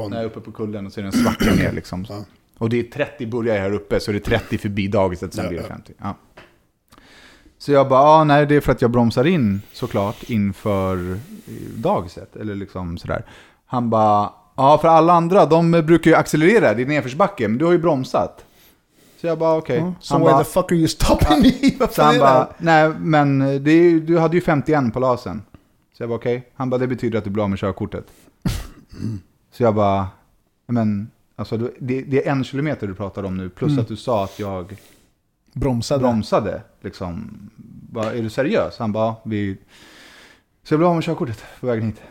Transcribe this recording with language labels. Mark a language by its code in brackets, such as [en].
[sv] Ja, när jag uppe på kullen och så är den svacka ner liksom. Ja. Och det är 30 börjar jag här uppe, så det är 30 förbi dagis sen blir det 50. Ja. Så jag bara, nej, det är för att jag bromsar in såklart inför dagiset. Eller liksom sådär. Han bara, ja, för alla andra, de brukar ju accelerera. Det är nedförsbacke, men du har ju bromsat. Så jag bara, okej. [en] Okay. Mm. So why the fuck are you stopping me? [sv] Så han bara, nej, men det är, du hade ju 51 på lasen. Så jag bara, okej. [en] Okay. [sv] Han bara, det betyder att du blir av med körkortet. Mm. Så jag bara, men alltså, det är en kilometer du pratar om nu. Plus att du sa att jag bromsade. Liksom. Bara, är du seriös? Han bara, så jag blir av med körkortet på vägen hit.